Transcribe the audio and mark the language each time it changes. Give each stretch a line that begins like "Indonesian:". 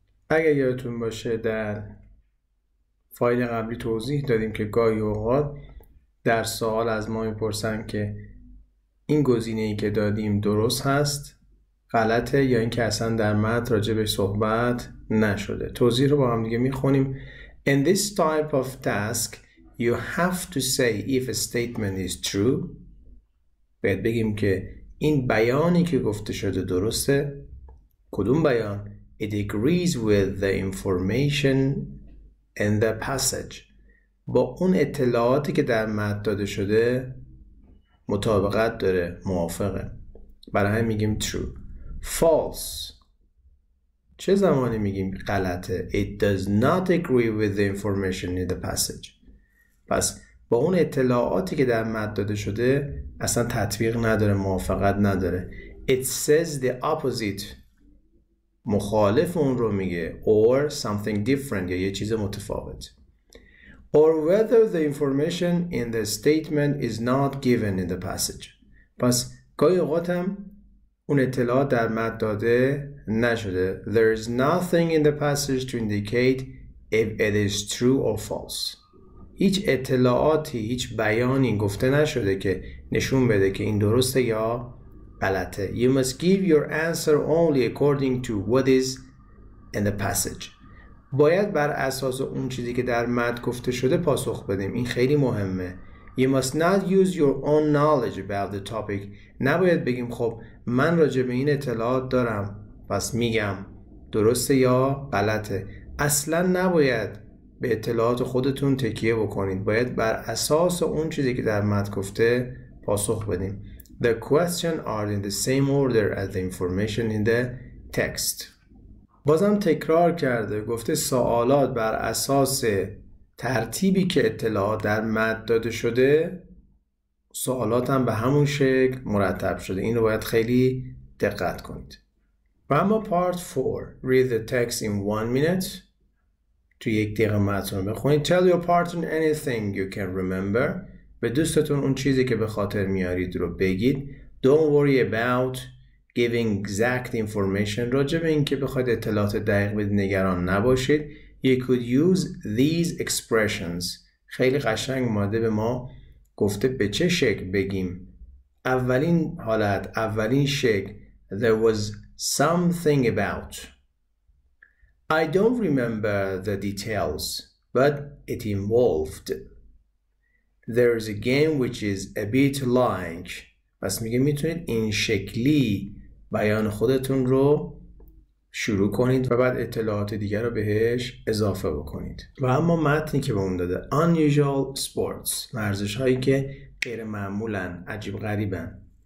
Persian: اگر یادتون باشه در فایل قبلی توضیح دادیم که گاهی اوقات در سوال از ما میپرسن که این گزینه‌ای که دادیم درست هست، غلطه یا اینکه اصلا در متن راجع به صحبت نشده. توضیح رو با هم دیگه میخونیم.
English: In this type of task, you have to say if a statement is true.
Persian: باید بگیم که این بیانی که گفته شده درسته. کدوم بیان؟
English: It agrees with the information in the passage.
Persian: با اون اطلاعاتی که در متن داده شده مطابقت داره، موافقه. برای همین میگیم true. False. چه زمانی میگیم غلطه؟
English: It does not agree with the information in the passage.
Persian: پس با اون اطلاعاتی که در متن داده شده اصلا تطبیق نداره، موافقت نداره.
English: It says the opposite.
Persian: مخالف اون رو میگه.
English: Or something different،
Persian: یا یه چیز متفاوت.
English: Or whether the information in the statement is not given in the passage.
Persian: پس گاهی اوقات هم اون اطلاعات در متن داده نشده.
English: There is nothing in the passage to indicate if it is true or false.
Persian: هیچ اطلاعاتی، هیچ بیانی گفته نشده که نشون بده که این درسته یا غلطه.
English: You must give your answer only according to what is in the passage.
Persian: باید بر اساس اون چیزی که در متن گفته شده پاسخ بدیم. این خیلی مهمه.
English: You must not use your own knowledge about the topic.
Persian: نباید بگیم خب من راجع به این اطلاعات دارم پس میگم درسته یا غلطه. اصلا نباید به اطلاعات خودتون تکیه بکنید. باید بر اساس اون چیزی که در متن گفته پاسخ بدیم.
English: The questions are in the same order as the information in the text.
Persian: بازم تکرار کرده، گفته سوالات بر اساس ترتیبی که اطلاعات در متن داده شده، سوالات هم به همون شکل مرتب شده. این رو باید خیلی دقت کنید. و اما
English: part 4. Read the text in 1 minute.
Persian: تو یک دقیقه متن بخونید.
English: Tell your partner anything you can remember.
Persian: به دوستتون اون چیزی که به خاطر میارید رو بگید.
English: Don't worry about giving exact information.
Persian: راجع به این که بخواید اطلاعات دقیق بدید نگران نباشید.
English: You could use these expressions.
Persian: خیلی قشنگ ماده به ما گفته به چه شکل بگیم. اولین حالت، اولین شکل.
English: There was something about. I don't remember the details, but it involved. There is a game which is a bit like.
Persian: پس میگه میتونید این شکلی بیان خودتون رو شروع کنید و بعد اطلاعات دیگر رو بهش اضافه بکنید. و اما متنی که به اون داده.
English: Unusual sports.
Persian: ورزش هایی که غیر معمولن، عجیب غریبن.